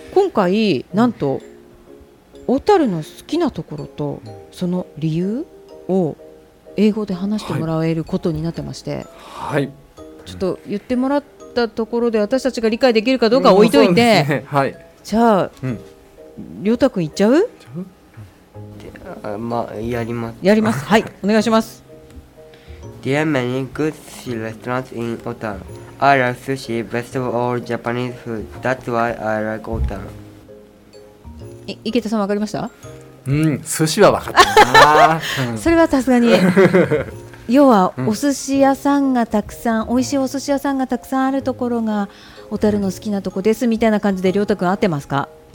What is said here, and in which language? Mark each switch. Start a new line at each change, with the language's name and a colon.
Japanese: 今回なんと小樽の好きなところとその理由を英語で話してもらえることになってまして、はい、ちょっと言ってもらったところで私たちが理解できるかどうか置いといて、ね、はい、じゃあ、うん、りょうたくん行っちゃう？じゃあ、まあ、やります。やります、はい、お願いします。
English: There are many good sushi restaurants in Otan. I like sushi best of all Japanese food. That's why I like Otan.
Japanese: 池田さん分かりました？うん、寿司は分かったそれはさすがに要はお寿司屋さんがたくさん、うん、美味しいお寿司屋さんがたくさんあるところが小樽の好きなとこですみたいな感じで、りょうたくん合ってますか？